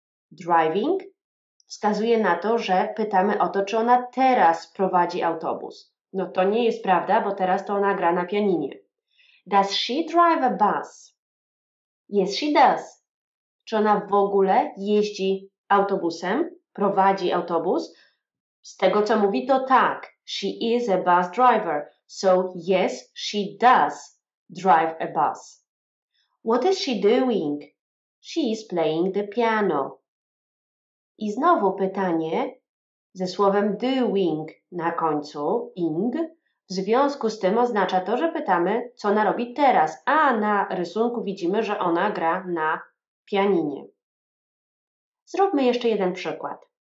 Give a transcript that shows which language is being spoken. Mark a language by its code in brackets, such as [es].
[pl] Driving wskazuje na to, że pytamy o to, czy ona teraz prowadzi autobus. No to nie jest prawda, bo teraz to ona gra na pianinie. [en] Does she drive a bus? Yes, she does. [pl] Czy ona w ogóle jeździ autobusem, prowadzi autobus? Z tego, co mówi, to tak. [en] She is a bus driver. So yes, she does drive a bus. What is she doing? She is playing the piano. [pl] I znowu pytanie ze słowem doing na końcu, ing, w związku z tym oznacza to, że pytamy, co ona robi teraz, a na rysunku widzimy, że ona gra na pianinie. Zróbmy jeszcze jeden przykład.